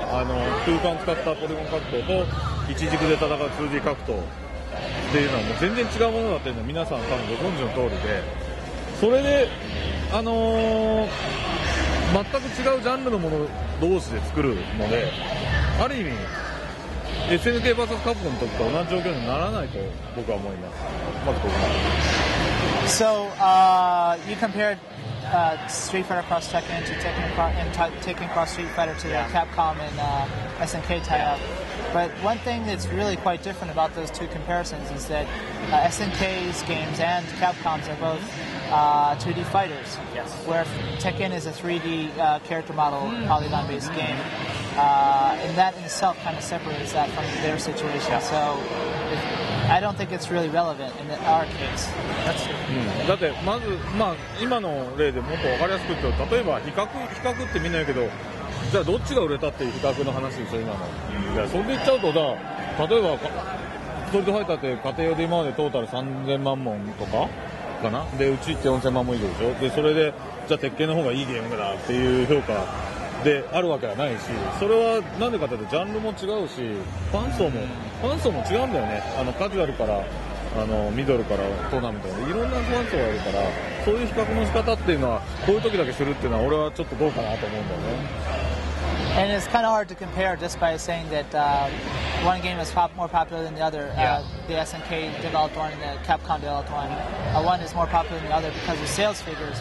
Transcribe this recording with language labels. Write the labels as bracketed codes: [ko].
[ja] あの空間使ったポリゴン格闘と一軸で戦う 2D 格闘っていうのはもう全然違うものだっていうのは皆さん多分ご存知の通りで、それで全く違うジャンルのもの同士で作るので、ある意味 SNK vs カプコンの時と同じ状況にならないと僕は思います。まずここから。 [en] So you compared Street Fighter Cross Tekken to Tekken Cross, and Tekken Cross Street Fighter to the Capcom and SNK tie up. But one thing that's really quite different about those two comparisons is that SNK's games and Capcom's are both 2D fighters. Yes. Where Tekken is a 3D character model polygon-based game, and that in itself kind of separates that from their situation. Yeah. So I don't think it's really relevant in our case. That's true. [ja] だってまずまあ今の例でもっと分かりやすく言うと、例えば比較ってみんな言うけど。じゃあどっちが売れたっていう比較の話ですよ今の。いやそれで言っちゃうと、だ例えばストリートファイターって家庭用で今までトータル3000万本とかかな、でうちって4000万本以上でしょ。でそれでじゃあ鉄拳の方がいいゲームだっていう評価であるわけはないし、それは何でかというとジャンルも違うし、ファン層も違うんだよね。あのカジュアルからあのミドルからトーナメントでいろんなファン層があるから、そういう比較の仕方っていうのはこういう時だけするっていうのは俺はちょっとどうかなと思うんだよね。 [en] And it's kind of hard to compare just by saying that one game is more popular than the other. The SNK developed one and the Capcom developed one. One is more popular than the other because of sales figures.